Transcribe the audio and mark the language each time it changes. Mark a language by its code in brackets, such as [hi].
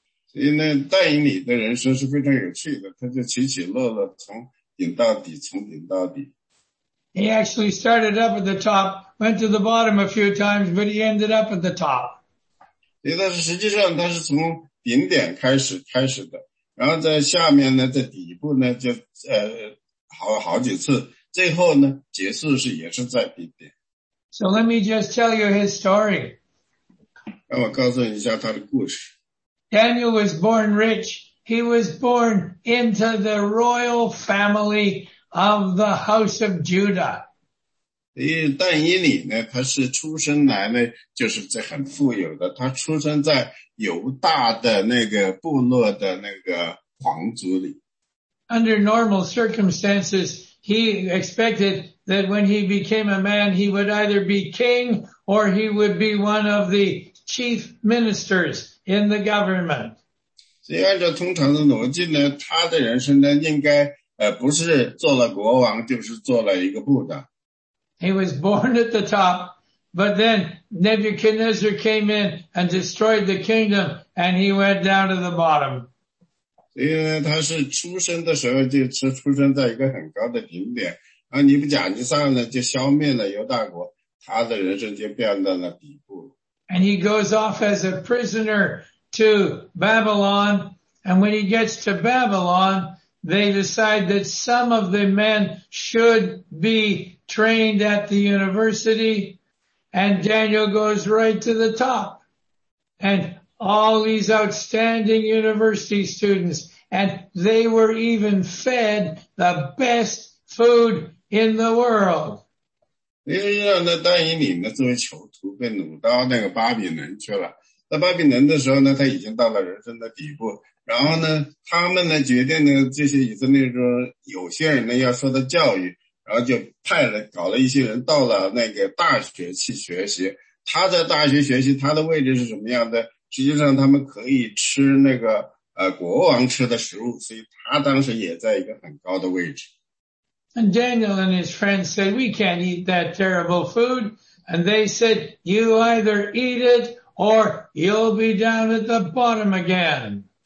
[zh] 所以呢，但以你的人生是非常有趣的，他就起起落落，从顶到底，从顶到底。 [en] He actually started up at the top, went to the bottom a few times, but he ended up at the top. [zh] 所以但是实际上他是从顶点开始的，然后在下面呢，在底部呢，就好几次。最后呢，结束是也是在顶点。 [en] So let me just tell you his story. [zh] 让我告诉你一下他的故事。 [en] Daniel was born rich. He was born into the royal family of the house of Judah. [zh] 但以理呢，他是出生来呢，就是在很富有的。他出生在犹大的那个部落的那个皇族里。 [en] Under normal circumstances,He expected that when he became a man, he would either be king or he would be one of the chief ministers in the government. [zh] 所以按照通常的逻辑呢，他的人生呢，应该不是做了国王，就是做了一个部长。 [en] He was born at the top, but then Nebuchadnezzar came in and destroyed the kingdom, and he went down to the bottom. [zh] 因为他是出生的时候就是出生在一个很高的顶点，而尼布甲尼撒呢就消灭了犹大国，他的人生就变到了底部。 [en] And he goes off as a prisoner to Babylon, and when he gets to Babylon, they decide that some of the men should be trained at the university, and Daniel goes right to the top. AndAll these outstanding university students, and they were even fed the best food in the world. [zh] 因为让那但以理呢作为囚徒被掳到那个巴比伦去了。在巴比伦的时候呢，他已经到了人生的底部。然后呢，他们呢决定呢，这些以色列说有些人呢要受到教育，然后就派了搞了一些人到了那个大学去学习。他在大学学习，他的位置是什么样的？实际上他们可以吃那个国王吃的食物，所以他当时也在一个很高的位置。 [en] And Daniel and his friends said, we can't eat that terrible food. And they said, you either eat it or you'll be down at the bottom again.